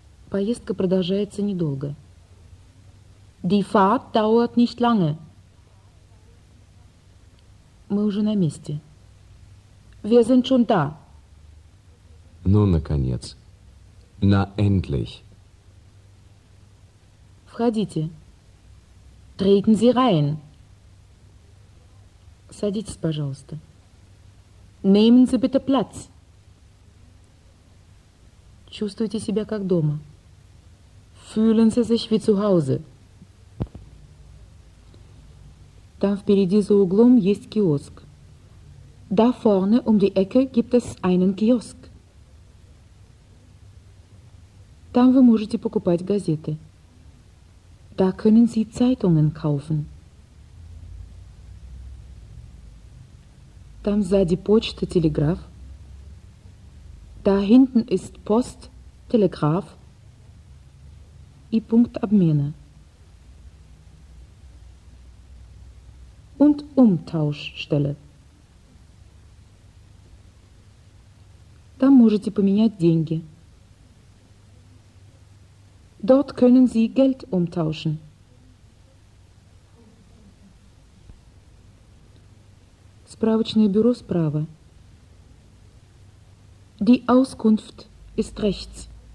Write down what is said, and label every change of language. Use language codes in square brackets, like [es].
[ru] Поездка продолжается недолго. [de] Die Fahrt dauert nicht lange. [ru] Мы уже на месте. [de] Wir sind schon da. [ru] Ну, наконец. [de] На endlich. [ru] Входите. [de] Treten Sie rein. [ru] Садитесь, пожалуйста. [de] Nehmen Sie bitte Platz. [ru] Чувствуйте себя как дома. [de] Fühlen Sie sich wie zu Hause. [ru] Там впереди за углом есть киоск. [de] Da vorne um die Ecke gibt es einen Kiosk. [ru] Там вы можете покупать газеты. [de] Da können Sie Zeitungen kaufen. [ru] Там сзади почта, телеграф. [de] Da hinten ist Post, Telegraph [ru] и пункт обмена. [de] Und Umtauschstelle. [ru] Там можете поменять деньги. [de] Dort können Sie Geld umtauschen. [ru] Справочное бюро справа. [de] Die Auskunft ist rechts.